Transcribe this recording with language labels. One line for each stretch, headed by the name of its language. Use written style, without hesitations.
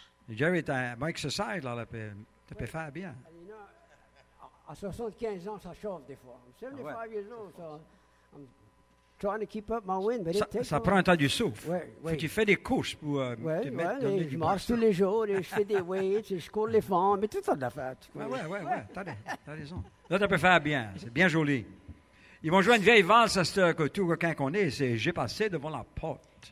French: Jerry, t'as un bon exercice, là, t'as pu faire bien. À 75 ans, ça chauffe des fois.
English: I'm 75 years old, so I'm trying to keep up my wind, but
French: ça,
English: it takes
French: ça prend un temps du souffle. Faut que tu fais des courses pour te mettre dans je marche tous les jours, et je fais des weights, et je cours les fentes, mais tout ça de la fête. T'as raison. Là, t'as pu faire bien. C'est bien joli. Ils vont jouer une vieille valse à ce que tout requin qu'on est, c'est « J'ai passé devant la porte ».